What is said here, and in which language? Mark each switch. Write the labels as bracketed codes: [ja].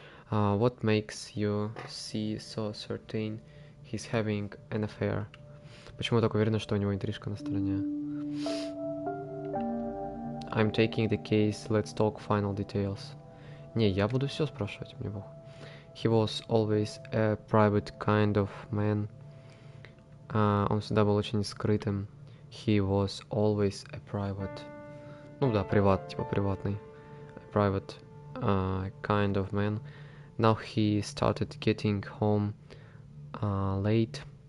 [en] What makes you see so certain he's having an affair? [ru] Почему так уверена, что у него интрижка на стороне? [en] I'm taking the case, let's talk final details. [ru] Не, я буду все спрашивать, мне бог. [en] He was always a private kind of man. [ru] Он всегда был очень скрытым. [en] He was always a private. [ru] Ну да, приват, типа приватный. [en] A private kind of man. Now he started getting home late.